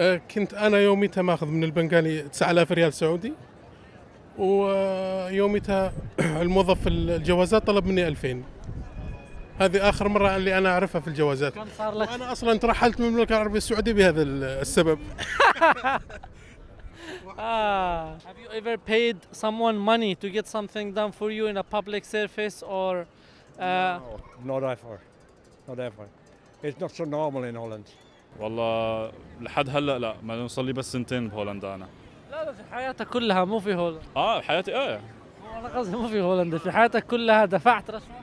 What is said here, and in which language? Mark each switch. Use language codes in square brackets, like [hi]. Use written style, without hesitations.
[ar] كنت انا يوميتها ماخذ من البنغالي 9000 ريال سعودي، ويوميتها الموظف الجوازات طلب مني 2000. هذه اخر مرة اللي انا اعرفها في الجوازات. كم صار لك؟ انا اصلا ترحلت من المملكة العربية السعودية بهذا السبب. [en] Have you ever paid someone money to get something done for you in a public service or No, not ever. It's not so normal in Holland. [ar] والله لحد هلا لا، ما نصلي بس سنتين بهولندا انا. لا في حياتك كلها مو في هولندا. حياتي ايه. انا قصدي مو في هولندا، في حياتك كلها دفعت رشوة؟